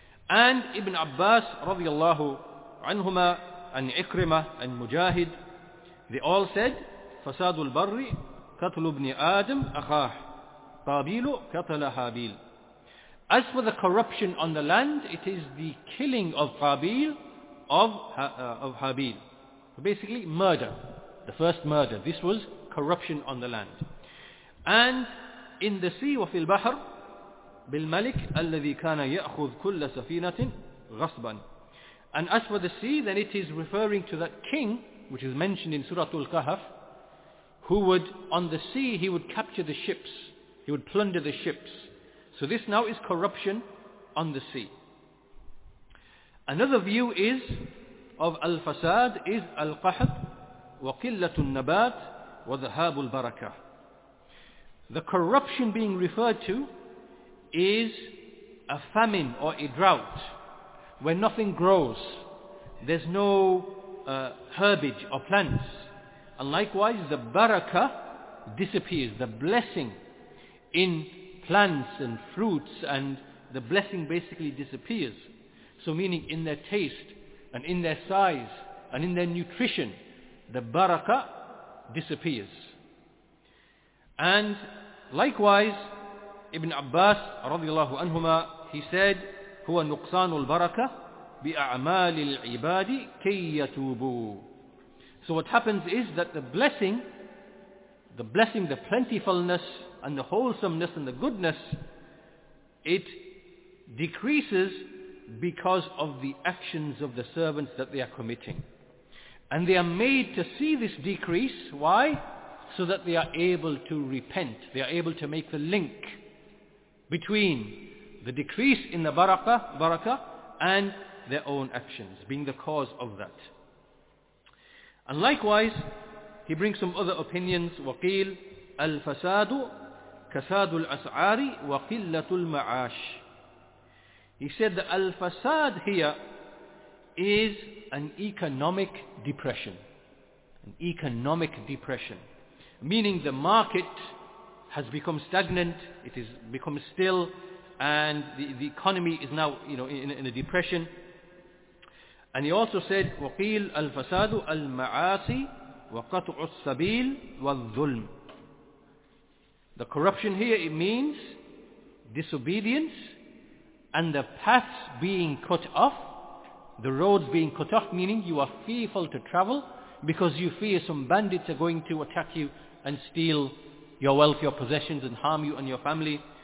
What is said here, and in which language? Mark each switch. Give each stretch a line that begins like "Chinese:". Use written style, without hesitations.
Arabic: And Ibn Abbas رضي الله عنهما and إكرمة
English: and Mujahid, they all said,
Arabic: فساد البر قتل ابن آدم أخاه قابيل قتل هابيل.
English: As for the corruption on the land, it is the killing of قابيل of هابيل. Basically, murder. The first murder. This was corruption on the land. And in the sea,
Arabic: وفي البحر بالملك الذي كان يأخذ كل سفينة غصبا.
English: And as for the sea, then it is referring to that king, which is mentioned in Surah Al-Kahf, who would, on the sea, he would capture the ships. He would plunder the ships. So this now is corruption on the sea. Another view is, of
Arabic: al-fasad is al-qahd wa qillatu an-nabat wa dhahab al-barakah.
English: The corruption being referred to is a famine or a drought where nothing grows. There's no herbage or plants. And likewise, the barakah disappears. The blessing in plants and fruits, and the blessing basically disappears. So meaning in their taste and in their size and in their nutrition, the barakah disappears. And likewise, Ibn Abbas
Arabic: رضي الله عنهما,
English: he said,
Arabic: هو نقصان البركة بأعمال العباد كي يتوبوا.
English: So what happens is that the blessing, the plentifulness and the wholesomeness and the goodness, it decreases because of the actions of the servants that they are committing. And they are made to see this decrease. Why? So that they are able to repent. They are able to make the link between the decrease in the barakah and their own actions, being the cause of that. And likewise, he brings some other opinions.
Arabic: وَقِيلْ الْفَسَادُ كَسَادُ الْأَسْعَارِ وَقِلَّةُ الْمَعَاشِ.
English: He said that al-fasad here is an economic depression. An economic depression. Meaning the market has become stagnant, it has become still, and the economy is now, you know, in a depression. And he also said,
Arabic: وَقِيل الْفَسَادُ الْمَعَاصِي وَقَطْعُ السَّبِيلِ وَالظُّلْمِ.
English: The corruption here, it means disobedience, and the paths being cut off, the roads being cut off, meaning you are fearful to travel because you fear some bandits are going to attack you and steal your wealth, your possessions, and harm you and your family.